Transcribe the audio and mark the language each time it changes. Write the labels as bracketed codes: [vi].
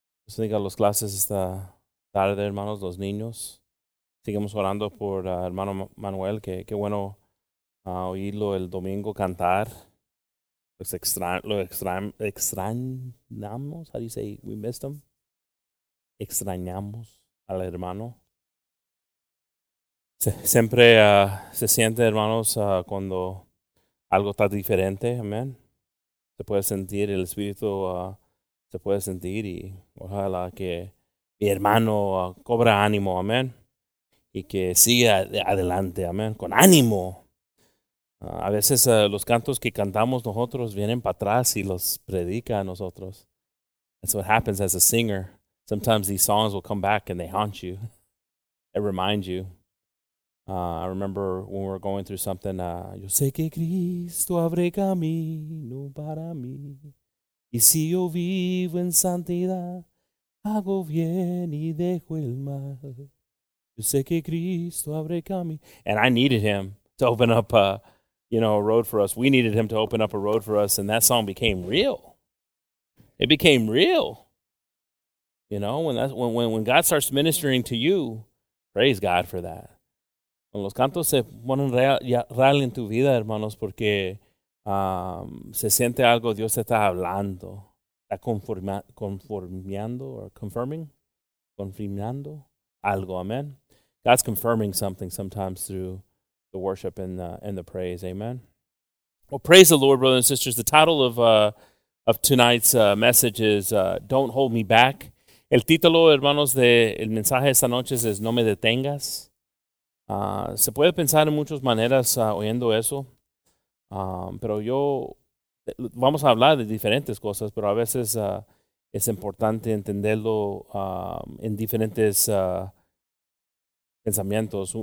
[es] Bendiga los clases esta tarde, hermanos, los niños. Sigamos orando por hermano Manuel, que bueno oírlo el domingo cantar. Extrañamos, [en] how do you say, we missed him? [es] Extrañamos al hermano. Siempre se siente, hermanos, cuando algo está diferente, amén. Se puede sentir el espíritu, se puede sentir y ojalá que mi hermano cobra ánimo, amén, y que siga adelante, amén, con ánimo. A veces los cantos que cantamos nosotros vienen para atrás y los predica a nosotros. [en] That's what happens as a singer. Sometimes these songs will come back and they haunt you. They remind you. I remember when we were going through something. [es] Yo sé que Cristo abre camino para mí. Y si yo vivo en santidad, hago bien y dejo el mal. Yo sé que Cristo abre camino. [en] And I needed him to open up a road for us. We needed him to open up a road for us, and that song became real. It became real. You know, when God starts ministering to you, praise God for that. [es] Cuando los cantos se ponen real en tu vida, hermanos, porque se siente algo, Dios está hablando, está confirmando algo, amen. [en] God's confirming something sometimes through the worship and the praise, amen. Well, praise the Lord, brothers and sisters. The title of tonight's message is Don't Hold Me Back. [es] El título, hermanos, del mensaje de esta noche es No Me Detengas. Se puede pensar en muchas maneras oyendo eso. Pero yo, vamos a hablar de diferentes cosas, pero a veces es importante entenderlo en diferentes pensamientos.